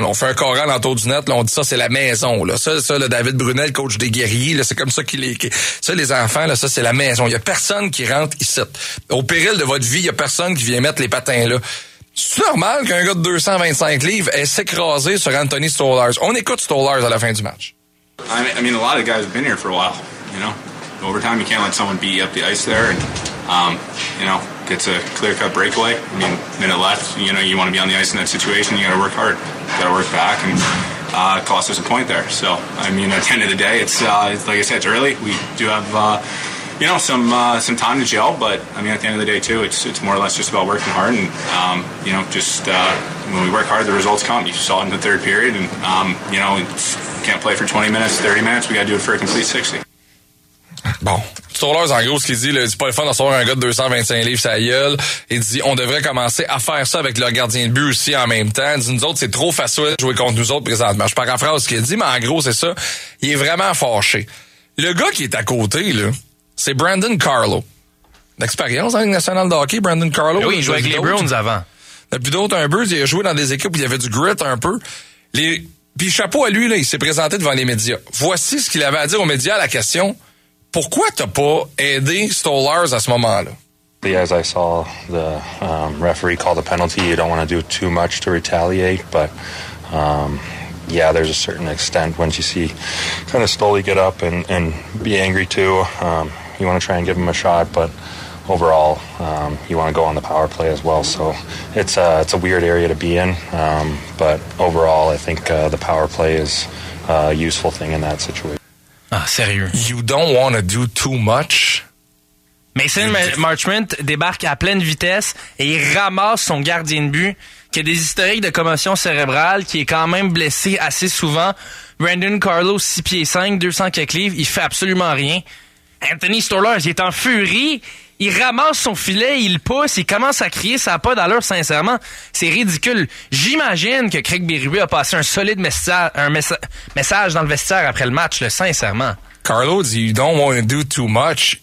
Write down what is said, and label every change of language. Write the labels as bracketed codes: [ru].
[fr] Là. On fait un coran autour du net, là, on dit ça, c'est la maison. Là. Ça, le David Brunel, coach des guerriers, là, c'est comme ça qu'il est. Ça, les enfants, là, ça, c'est la maison. Il n'y a personne qui rentre ici. Au péril de votre vie, il n'y a personne qui vient mettre les patins là. C'est normal qu'un gars de 225 livres ait s'écrasé sur Anthony Stolarz. On écoute Stolarz à la fin du match. [en] I mean, a lot of guys have been here for a while. You know, over time, you can't let someone beat you up the ice there and, you know, gets a clear-cut breakaway. I mean, minute left, you know, you want to be on the ice in that situation. You got to work hard. You got to work back and cost us a point there. So, I mean, at the end of the day, it's like I said, it's early. We do have, you know, some time to gel. But, I mean, at the end of the day, too, it's more or less just about working hard. And, you know, just when we work hard, the results come. You saw it in the third period. And, you know, can't play for 20 minutes, 30 minutes. We got to do it for a complete 60. [fr] Bon. Stolarz, en gros, ce qu'il dit, là, c'est pas le fun d'avoir un gars de 225 livres, sa gueule. Il dit, on devrait commencer à faire ça avec leur gardien de but aussi en même temps. Il dit, nous autres, c'est trop facile de jouer contre nous autres présentement. Je paraphrase ce qu'il dit, mais en gros, c'est ça. Il est vraiment fâché. Le gars qui est à côté, là, c'est Brandon Carlo. D'expérience dans la Ligue nationale de hockey, Brandon Carlo. Oui, il jouait avec les Bruins avant. Depuis d'autres, un peu, il a joué dans des équipes où il y avait du grit un peu. Puis chapeau à lui, là, il s'est présenté devant les médias. Voici ce qu'il avait à dire aux médias à la question. Pourquoi t'as pas aidé Stolarz à ce moment-là? [en] As I saw the referee call the penalty, you don't want to do too much to retaliate, but yeah, there's a certain extent once you see kind of Stoli get up and be angry too. You want to try and give him a shot, but overall, you want to go on the power play as well. So it's a weird area to be in, but overall, I think the power play is a useful thing in that situation. [fr] Ah, sérieux. [en] You don't want to do too much. [fr] Mason Marchment débarque à pleine vitesse et il ramasse son gardien de but qui a des historiques de commotion cérébrale, qui est quand même blessé assez souvent. Brandon Carlo, 6 pieds 5, 200 quelques livres, il fait absolument rien. Anthony Stolarz, il est en furie. Il ramasse son filet, il pousse, il commence à crier, ça n'a pas d'allure, sincèrement. C'est ridicule. J'imagine que Craig Berube a passé un solide message dans le vestiaire après le match, là, sincèrement. Carlo dit, [en] you don't want to do too much.